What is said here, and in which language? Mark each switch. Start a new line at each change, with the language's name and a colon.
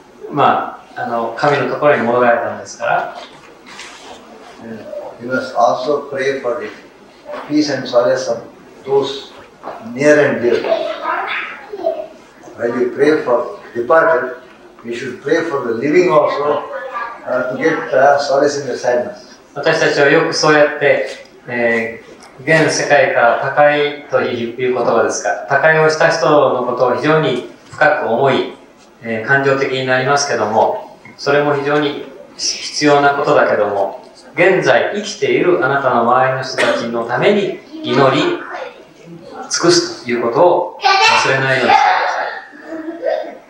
Japanese: まあ、神のところに戻られたんですから。
English: You must also pray for the peace and solace of those near and dear. when we pray for departed, we should pray for the living also to get solace in the sadness.
Japanese: 私たちはよくそうやって、現世界から他界という言葉ですか、他界をした人のことを非常に深く思い、感情的になりますけども、それも非常に必要なことだけども、現在生きているあなたの周りの人たちのために祈り尽くすということを忘れないようにしてください。